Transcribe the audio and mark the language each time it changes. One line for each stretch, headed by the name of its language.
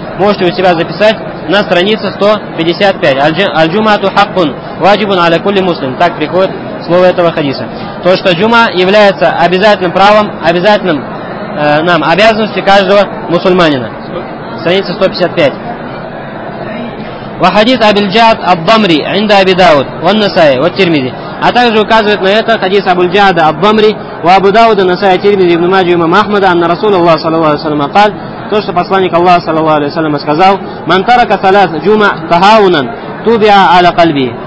Russian: Можете у себя записать на странице 155.
Arabic: Аль-джумату хаккун ваджибун аля кулли муслим.
Russian: Так приходит слово этого хадиса. То, что джума является обязательным правом, обязательным нам обязанностью каждого мусульманина. Страница 155.
Arabic: وحديث أبي الجعد الضمري عند أبي داود والنسائي والترمذي.
Russian: А также указывает на это хадис Абу аль-Джада ад-Дамри и Абу Дауда, Насаи, Тирмизи, Ибн Маджа и имам Ахмада,
Arabic: анна расул Аллах
Russian: саллаллаху алейхи ва саллям قال, то, что посланник Аллаха саллаллаху алейхи ва саллям сказал:
Arabic: "Ман тарака салас джума тахаунан тубиа аля кальби".